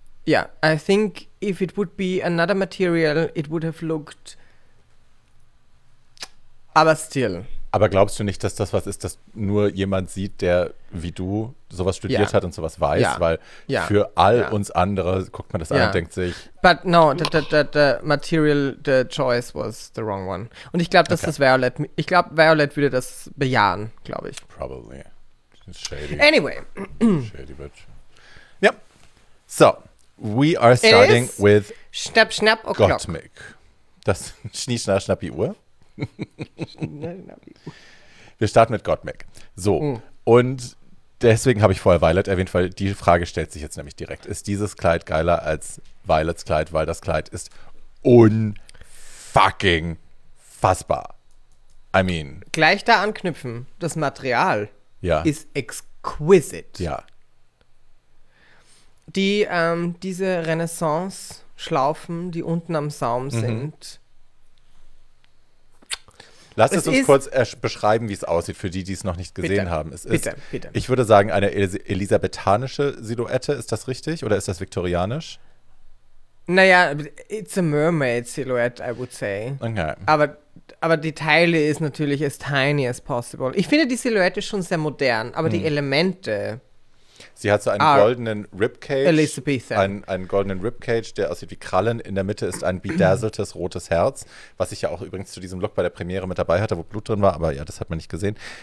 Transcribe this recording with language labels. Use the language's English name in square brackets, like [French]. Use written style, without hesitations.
[English] Yeah, I think if it would be another material, it would have looked... [German] Aber still. Aber glaubst du nicht, dass das was ist, das nur jemand sieht, der wie du sowas studiert hat und sowas weiß? Yeah. Weil für all uns andere guckt man das an und denkt sich... [English] But no, the material, the choice was the wrong one. [German] Und ich glaube, dass das Violet... Ich glaube, Violet würde das bejahen, glaube ich. [English] Probably. It's shady. Anyway. Shady bitch. Yep. So, we are starting is with... Schnapp, schnapp, o'clock. Gottmik. Das Schnieschnapp, schnapp, die Uhr. [German] Wir starten mit Gottmik. So, und deswegen habe ich vorher Violet erwähnt, weil die Frage stellt sich jetzt nämlich direkt. Ist dieses Kleid geiler als Violets Kleid, weil das Kleid ist unfucking fassbar. [English] I mean. [German] Gleich da anknüpfen, das Material ist exquisite. Ja. Die, diese Renaissance-Schlaufen, die unten am Saum sind, lass es uns kurz beschreiben, wie es aussieht, für die, die es noch nicht gesehen haben. Es ist, ich würde sagen, eine elisabethanische Silhouette. Ist das richtig oder ist das viktorianisch? [English] Naja, it's a mermaid silhouette, I would say. Okay. [German] Aber die Teile ist natürlich [English] as tiny as possible. [German] Ich finde die Silhouette schon sehr modern, aber die Elemente... Sie hat so einen goldenen Ribcage. [English] Elizabethan. [German] Einen goldenen Ribcage, der aussieht wie Krallen. In der Mitte ist ein bedazzeltes rotes Herz, was ich ja auch übrigens zu diesem Look bei der Premiere mit dabei hatte, wo Blut drin war, aber ja, das hat man nicht gesehen.